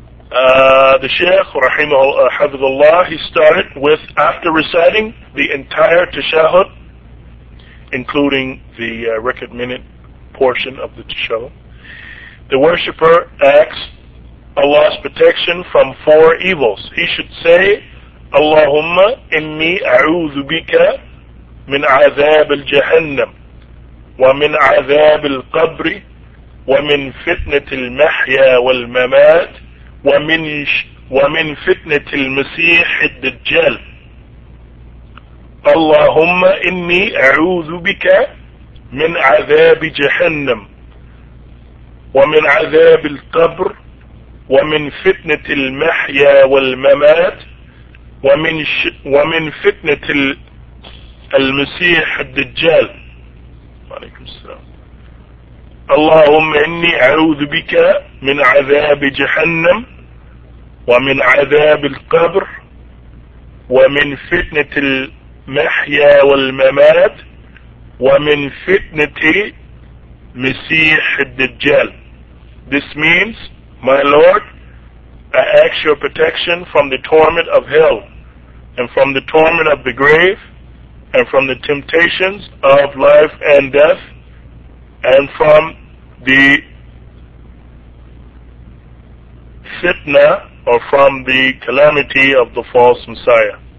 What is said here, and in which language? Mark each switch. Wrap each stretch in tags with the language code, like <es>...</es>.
<en>The Sheikh, rahimahullah, hafizullah, he started with, after reciting the entire tashahud, including the record minute portion of the tashahud, the worshipper asks Allah's protection from four evils. He should say,</en> <ar>Allahumma inni a'udhu bika min azab al-jahannam wa min azab al-qabri wa min fitnat al-mahya wal-mamat وَمِنْ فِتْنَةِ الْمَسِيحِ الدَّجَّالِ اللَّهُمَّ إِنِّي أَعُوذُ بِكَ مِنْ عَذَابِ جَهَنَّمْ وَمِنْ عَذَابِ الْقَبْرِ وَمِنْ فِتْنَةِ الْمَحْيَى وَالْمَمَاتِ وَمِنْ فِتْنَةِ الْمَسِيحِ الدَّجَّالِ وَعَلَيْكُمْ السَّلَامُ اللَّهُمَّ إِنِّي أَعُوذُ بِكَ مِنْ عَذَابِ جَهَنَّمْ ومن عذاب القبر ومن فتنة المحيا والممات ومن فتنة مسيح الدجال.</ar> <en>This means, my Lord, I ask your protection from the torment of hell and from the torment of the grave and from the temptations of life and death and from the fitna or from the calamity of the false Messiah.</en>